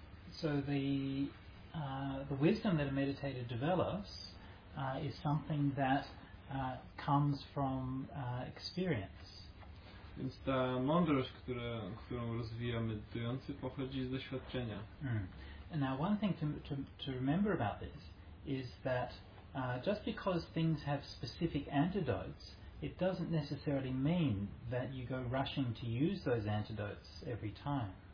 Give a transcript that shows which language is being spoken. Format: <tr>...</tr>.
<en>So the wisdom that a meditator develops is something that comes from experience.</en> <pl>Więc ta mądrość, którą rozwija medytujący, pochodzi z doświadczenia.</pl> <en>And now one thing to remember about this is that just because things have specific antidotes, it doesn't necessarily mean that you go rushing to use those antidotes every time.</en>